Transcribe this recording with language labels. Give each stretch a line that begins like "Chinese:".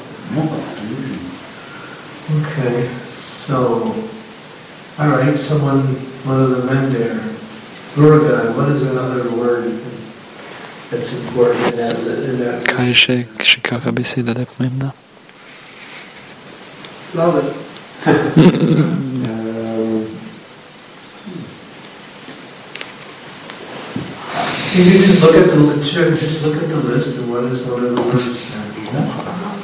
English: What's another word? I don't speak English. No English. Okay. So, all right. Someone, one of the men there, Durga, what is another word that's important in that?
Slovenian: Kaj še kakšna beseda, da je pomembna?
English: Love it. Can you just look at the literature, just look at the list and what is one of the words?